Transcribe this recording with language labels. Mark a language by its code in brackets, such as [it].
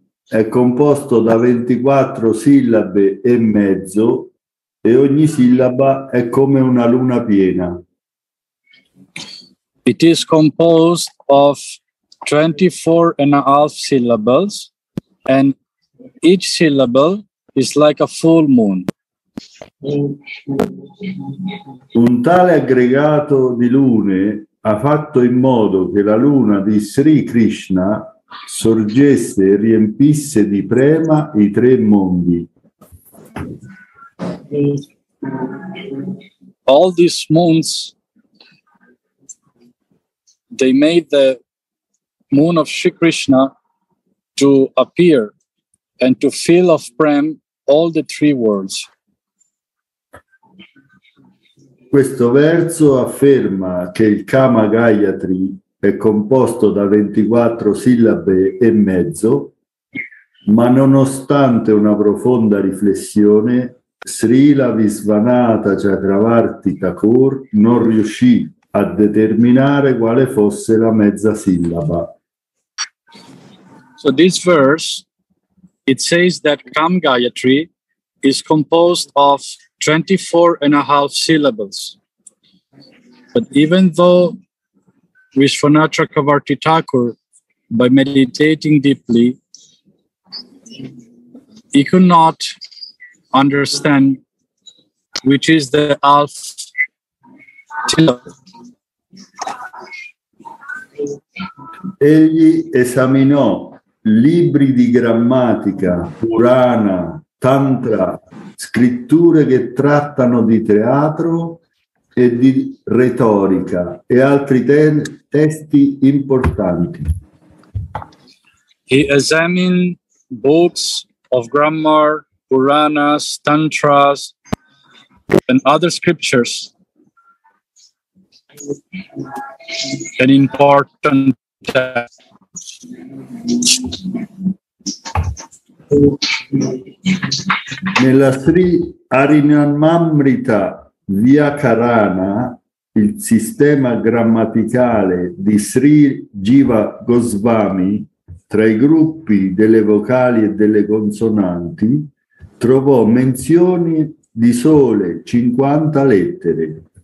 [it] è composto da 24 sillabe e mezzo e ogni sillaba è come una luna piena. [en] It is composed of 24 and a half syllables and each syllable is like a full moon. [it] Un tale aggregato di lune ha fatto in modo che la luna di Sri Krishna sorgesse e riempisse di prema i tre mondi. [en] All these moons, they made the moon of Sri Krishna to appear and to fill of prema all the three worlds. [it] Questo verso afferma che il Kama Gayatri è composto da 24 sillabe e mezzo, ma nonostante una profonda riflessione, Srila Visvanatha Chakravarti Thakur non riuscì a determinare quale fosse la mezza sillaba. [en] So this verse, it says that Kama Gayatri is composed of 24 and a half syllables. But even though Vishwanatha Chakravarti Thakur, by meditating deeply, he could not understand which is the half syllable. [it] Egli esaminò libri di grammatica, Purana, Tantra, scritture che trattano di teatro e di retorica e altri testi importanti. [en] He examined books of grammar, Puranas, Tantras and other scriptures and important texts. [it] Nella Sri Harinamrita Vyakarana, il sistema grammaticale di Sri Jiva Goswami, tra i gruppi delle vocali e delle consonanti, trovò menzioni di sole 50 lettere.